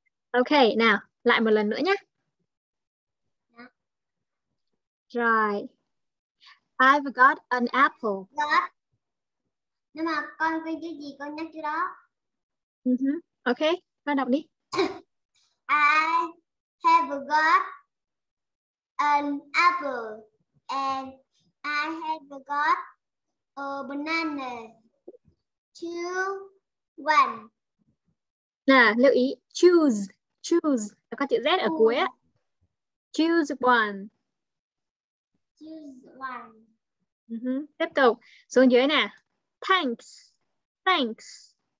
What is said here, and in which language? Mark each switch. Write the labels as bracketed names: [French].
[Vietnamese] Ok, nào, lại một lần nữa nhé. [English] Rồi. I've got an apple. [Vietnamese] Đó. Nhưng mà con quên chữ gì con nhắc chữ đó. Ok, con đọc đi. [English] I have got an apple and I have got a banana. Two, one. [Vietnamese] Nào, lưu ý choose, choose là có chữ Z ở cuối á. [English] Choose one. Choose one. [Vietnamese] Tiếp tục xuống dưới nè. [English] Thanks. Thanks.